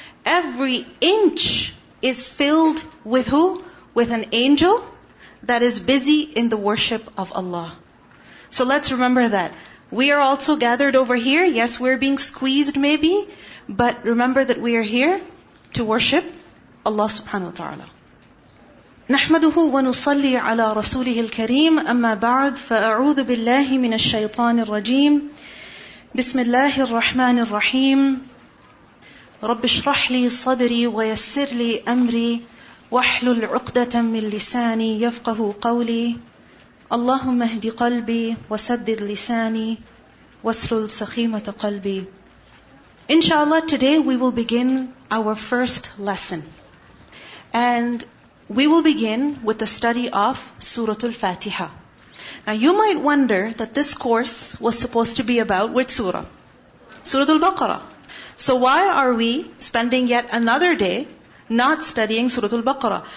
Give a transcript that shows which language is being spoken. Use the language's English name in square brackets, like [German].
[English] Every inch is filled with who? With an angel that is busy in the worship of Allah. So let's remember that. We are also gathered over here. Yes, we're being squeezed maybe, but remember that we are here to worship Allah subhanahu wa ta'ala. [Arabic] نحمده ونصلي على رسوله الكريم أما بعد فأعوذ بالله من الشيطان الرجيم بسم الله الرحمن الرحيم رب اشرح لي صدري ويسر لي أمري واحلل عقدة من لساني يفقه قولي اللهم اهد قلبي وسدد لساني واسلل سخيمة قلبي. [English] Inshallah, today we will begin our first lesson. And we will begin with the study of Surah Al-Fatiha. Now you might wonder that this course was supposed to be about which surah? Surah Al-Baqarah. So why are we spending yet another day not studying Surah Al-Baqarah?